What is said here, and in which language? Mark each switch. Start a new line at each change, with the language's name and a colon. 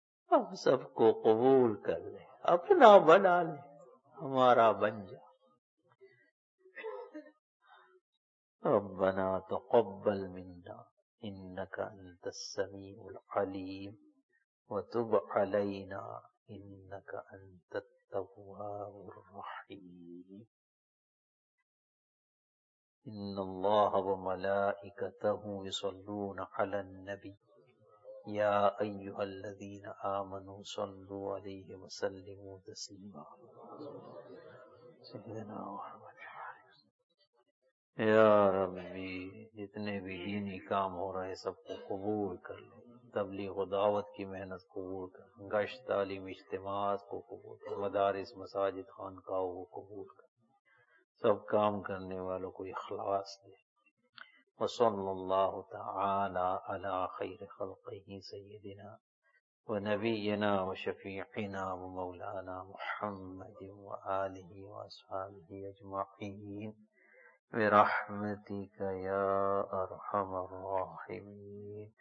Urdu: ہم سب کو قبول کر لے, اپنا بنا لے, ہمارا بن جا.
Arabic: ربنا تقبل منا انك انت السميع العليم وتب علينا انك انت التواب الرحيم. ان الله وملائكته يصلون على النبي يا ايها الذين امنوا صلوا عليه وسلموا تسليما. سيدنا محمد يا ربي
Urdu: جتنے بھی دینی کام ہو رہے سب کو قبول کر لے, تبلیغ و دعوت کی محنت قبول کر, گشت تعلیم اجتماعات کو قبول کر, مدارس مساجد خانقاہوں کو قبول کر, سب کام کرنے والوں کو اخلاص دے.
Arabic: وصلى الله تعالى على خير خلقه سيدنا ونبينا وشفيعنا ومولانا محمد وآله وأصحابه أجمعين برحمتك يا أرحم الراحمين.